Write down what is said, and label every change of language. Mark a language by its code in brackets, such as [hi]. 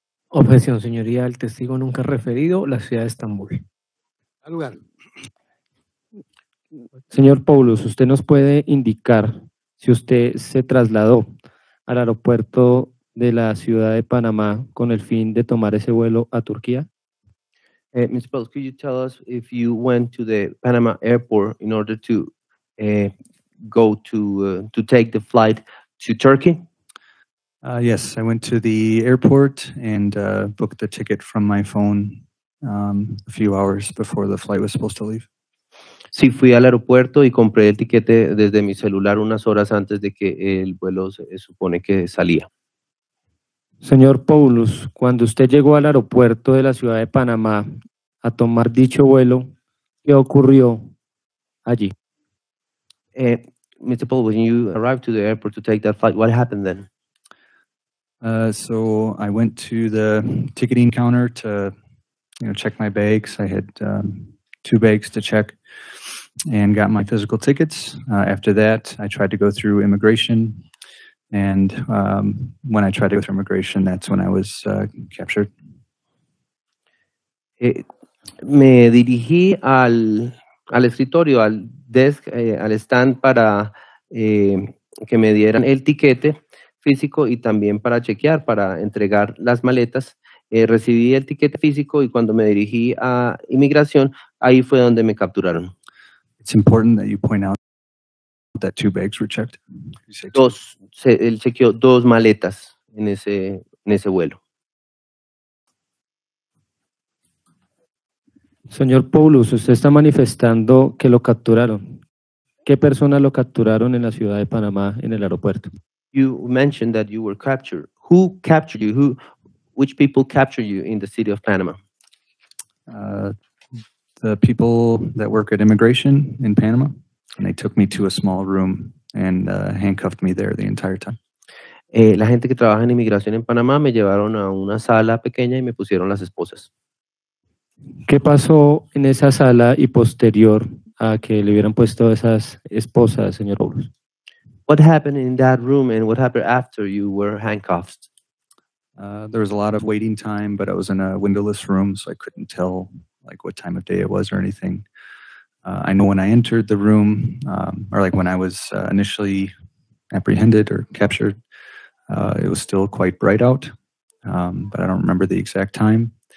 [es] Objeción, señoría, el testigo nunca ha referido la ciudad de Estambul. Al lugar. Señor Poulos, ¿usted nos puede indicar si usted se trasladó al aeropuerto de la ciudad de Panamá con el fin de tomar ese vuelo a Turquía? [en] Mr. Poulos, could you tell us if you went to the Panama airport in order to go to take the flight to Turkey? Yes, I went to the airport and booked the ticket from my phone a few hours before the flight was supposed to leave. [es] Sí, fui al aeropuerto y compré el tiquete desde mi celular unas horas antes de que el vuelo se supone que salía. Señor Poulos, cuando usted llegó al aeropuerto de la ciudad de Panamá a tomar dicho vuelo, ¿qué ocurrió allí? [en] Mr. Poulos, when you arrived to the airport to take that flight, what happened then? So I went to the ticketing counter to, you know, check my bags. I had 2 bags to check and got my physical tickets. After that, I tried to go through immigration. And when I tried to go through immigration, that's when I was captured. [es] Me dirigí al escritorio, al desk, al stand para que me dieran el tiquete físico y también para chequear, para entregar las maletas. Recibí el tiquete físico y cuando me dirigí a inmigración, ahí fue donde me capturaron. [en] It's important that you point out that two bags were checked. [es] Él chequeó dos maletas en ese vuelo. Señor Paulus, usted está manifestando que lo capturaron. ¿Qué personas lo capturaron en la ciudad de Panamá en el aeropuerto? [en] You mentioned that you were captured. Who captured you? Which people captured you in the city of Panama? The people that work at immigration in Panama, and they took me to a small room and handcuffed me there the entire time. [es] La gente que trabaja en inmigración en Panamá me llevaron a una sala pequeña y me pusieron las esposas. ¿Qué pasó en esa sala y posterior a que le hubieran puesto esas esposas, señor Paulus? [en] What happened in that room and what happened after you were handcuffed? There was a lot of waiting time, but I was in a windowless room, so I couldn't tell like what time of day it was or anything. I know when I entered the room, when I was initially apprehended or captured, it was still quite bright out, but I don't remember the exact time.